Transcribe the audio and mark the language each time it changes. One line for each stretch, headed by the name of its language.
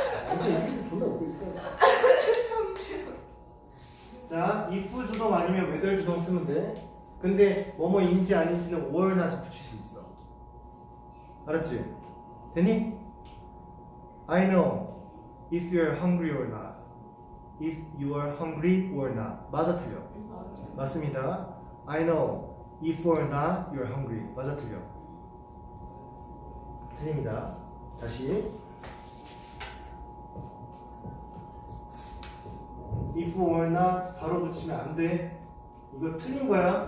Korean: 언제 이 새끼들 존나 웃고 있을까요? 자 if 주동 아니면 whether 주동 쓰면 돼. 근데 뭐뭐인지 아닌지는 or 나서 붙일 수 있어. 알았지? 되니?
English: I know if you're hungry or not. If you are hungry or not.
Korean: 맞아 틀려? 맞습니다.
English: I know if or not you're hungry.
Korean: 맞아 틀려? 틀립니다. 다시 if or not 바로 붙이면 안 돼. 이거 틀린 거야.